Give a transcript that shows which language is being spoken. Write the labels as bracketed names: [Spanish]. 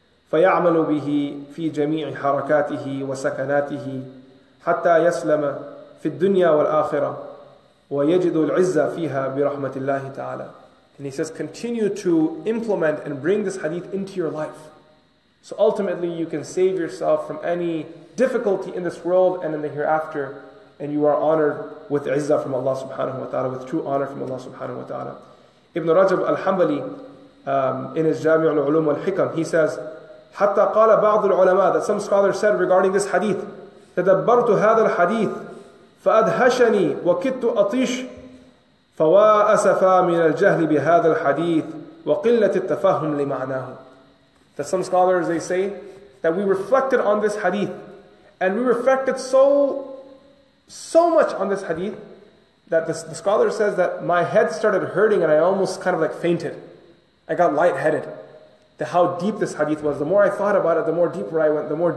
[Arabic] فَيَعْمَلُ بِهِ فِي جَمِيعِ حَرَكَاتِهِ وَسَكَنَاتِهِ حَتَّى يَسْلَمَ فِي الدُّنْيَا وَالْآخِرَةِ وَيَجِدُ الْعِزَّةَ فِيهَا بِرَحْمَةِ اللَّهِ تَعَالَى. [English] And he says, continue to implement and bring this hadith into your life. So ultimately you can save yourself from any difficulty in this world and in the hereafter, and you are honored with izzah from Allah subhanahu wa ta'ala, with true honor from Allah subhanahu wa ta'ala. Ibn Rajab al-Hanbali, in his Jami' al-Ulum wal-Hikam, he says, [Arabic] حَتَّى قَالَ بَعْضُ الْعُلَمَاءِ, [English] that some scholars said regarding this hadith, [Arabic] تَدَبَّرْتُ هَذَا الْحَدِيثِ فَأَدْهَشَنِي وَكِدْتُ أَطِيشُ فَوَا أَسَفَى مِنَ الْجَهْلِ بِهَذَا الْحَدِيثِ وَقِلَّةِ التَّفَهُمْ لِمَعْنَاهُ. [English] That some scholars, they say, that we reflected on this hadith, and we reflected so much on this hadith, that the scholar says that my head started hurting and I almost kind of like fainted. I got lightheaded to how deep this hadith was. The more I thought about it, the more deeper I went.